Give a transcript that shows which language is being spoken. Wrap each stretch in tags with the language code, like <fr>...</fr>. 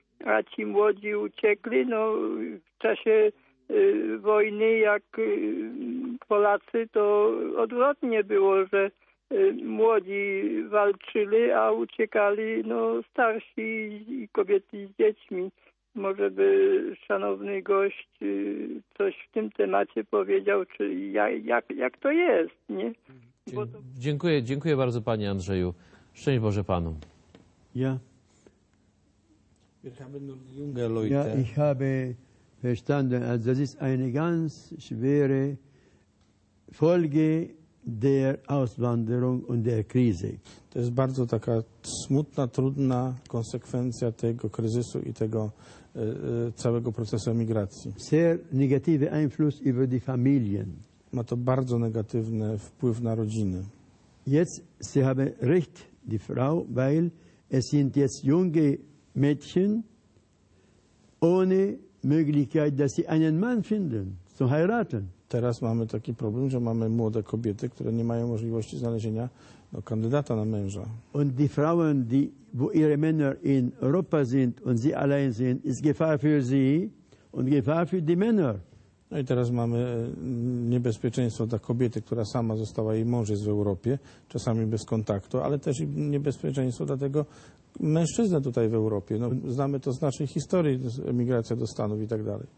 <pl>A ci młodzi uciekli, no w czasie wojny, jak Polacy, to odwrotnie było, że młodzi walczyli, a uciekali, no starsi i kobiety z dziećmi. Może by szanowny gość coś w tym temacie powiedział, czy jak to jest, nie? Dziękuję bardzo, panie Andrzeju. Szczęść Boże panu.</pl> <de>Ja. Ja, ich habe verstanden, also das ist eine ganz schwere Folge der Auswanderung und der Krise.</de> <pl>To jest bardzo taka smutna, trudna konsekwencja tego kryzysu i tego całego procesu emigracji.</pl> <de>Sehr negative Einfluss über die Familien.</de> <pl>Ma to bardzo negatywny wpływ na rodziny.</pl> <de>Jetzt, sie haben recht, die Frau, weil es sind jetzt junge Mädchen ohne Möglichkeit, dass sie einen Mann finden, zu heiraten.</de> <pl>Teraz mamy taki problem, że mamy młode kobiety, które nie mają możliwości znalezienia kandydata na męża.</pl> <de>Und die Frauen, wo ihre Männer in Europa sind und sie allein sind, ist Gefahr für sie und Gefahr für die Männer.</de> <pl>No i teraz mamy niebezpieczeństwo dla kobiety, która sama została, jej mąż jest w Europie, czasami bez kontaktu, ale też niebezpieczeństwo dla tego mężczyzna tutaj w Europie. No, znamy to z naszej historii, emigracja do Stanów i tak dalej.</pl>